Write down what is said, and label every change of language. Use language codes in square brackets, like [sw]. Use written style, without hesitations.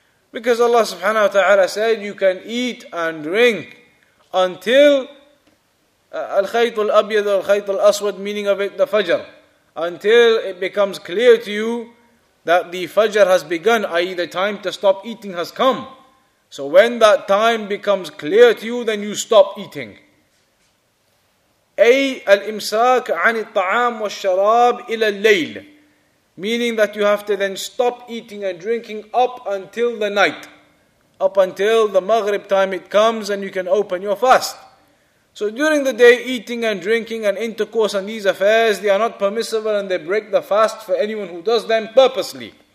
[en] Because Allah subhanahu wa ta'ala said, you can eat and drink until [ar] الْخَيْطُ الْأَبْيَضُ الْخَيْطُ الْأَسْوَدِ [en] meaning of it, the fajr. Until it becomes clear to you that the fajr has begun, i.e. the time to stop eating has come. So when that time becomes clear to you, then you stop eating. [ar] أي الإمساك عن الطعام والشراب إلى الليل. [en] Meaning that you have to then stop eating and drinking up until the night. Up until the Maghrib time it comes and you can open your fast. So during the day, eating and drinking and intercourse and these affairs, they are not permissible and they break the fast for anyone who does them purposely.